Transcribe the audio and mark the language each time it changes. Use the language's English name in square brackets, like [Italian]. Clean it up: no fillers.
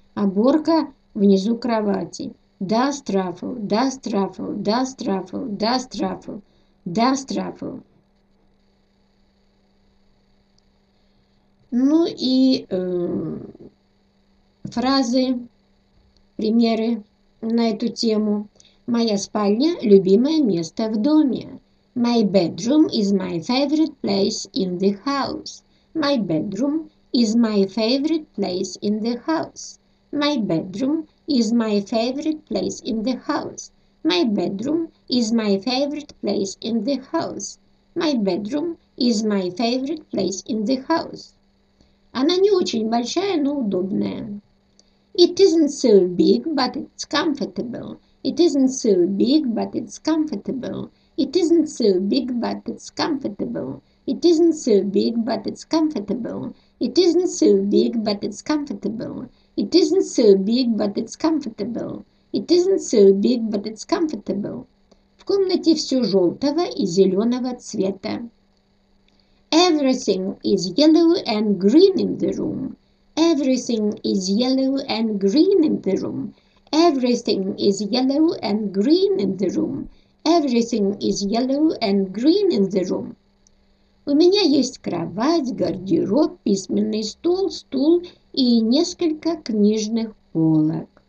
[Russian] Оборка внизу кровати. [English] Dust ruffle, dust ruffle, dust ruffle, dust ruffle, dust ruffle. [Russian] Ну и фразы, примеры на эту тему. Моя спальня – любимое место в доме. [English] My bedroom is my favorite place in the house. My bedroom is my favorite place in the house. My bedroom is my favorite place in the house. My bedroom is my favorite place in the house. My bedroom is my favorite place in the house. [Russian] Она не очень большая, но удобная. [English] It isn't so big, but it's comfortable. It isn't so big, but it's comfortable. It isn't so big, but it's comfortable. It isn't so big, but it's comfortable. It isn't so big, but it's comfortable. It isn't so big, but it's comfortable. It isn't so big, but it's comfortable. [Russian] В комнате все желтого и зеленого цвета. [English] Everything is yellow and green in the room. Everything is yellow and green in the room. Everything is yellow and green in the room. Everything is yellow and green in the room. [Russian] У меня есть кровать, гардероб, письменный стол, стул и несколько книжных полок.